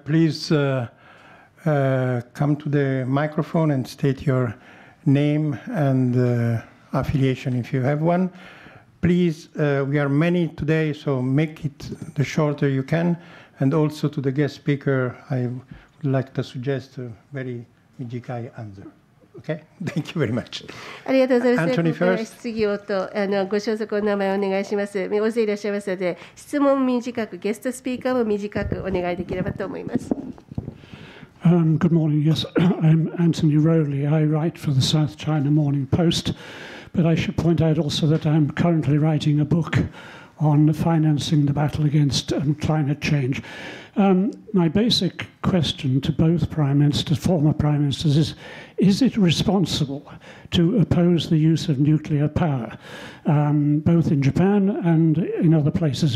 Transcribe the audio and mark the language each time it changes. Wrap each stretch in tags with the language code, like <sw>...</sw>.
<en>Please come to the microphone and state your name and affiliation if you have one. Please, we are many today, so make it the shorter you can. And also to the guest speaker, I would like to suggest a very短い answer. Okay. Thank you very much.</en> <ja>ありがとうございます。</ja> <en>Anthony first.</en> <ja>質疑応答、ご所属の名前をお願いします。大勢いらっしゃいますので、質問も短く、ゲストスピーカーも短くお願いできればと思います。</ja> <en>Good morning. Yes, I'm Anthony Rowley. I write for the South China Morning Post, but I should point out also that I'm currently writing a book on financing the battle against climate change. My basic question to both prime ministers, former prime ministers, is it responsible to oppose the use of nuclear power, both in Japan and in other places?</en>